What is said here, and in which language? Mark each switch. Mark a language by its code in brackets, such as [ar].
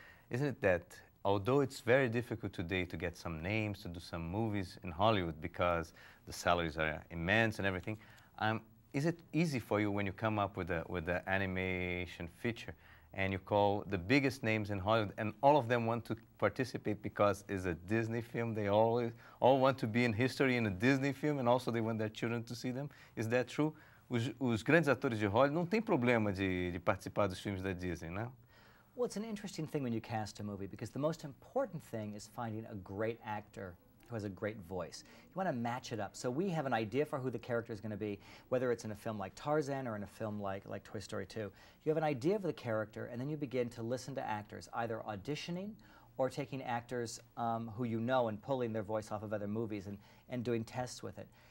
[en] Isn't it that although it's very difficult today to get some names to do some movies in Hollywood because the salaries are immense and everything, is it easy for you when you come up with an animation feature and you call the biggest names in Hollywood and all of them want to participate because it's a Disney film? They all want to be in history in a Disney film, and also they want their children to see them. Is that true? [pt] Os grandes atores de Hollywood não tem problema de participar dos filmes da Disney, né? [en] Well, it's an interesting thing when you cast a movie, because the most important thing is finding a great actor who has a great voice. You want to match it up. So we have an idea for who the character is going to be, whether it's in a film like Tarzan or in a film like Toy Story 2. You have an idea of the character, and then you begin to listen to actors, either auditioning or taking actors who you know and pulling their voice off of other movies and doing tests with it.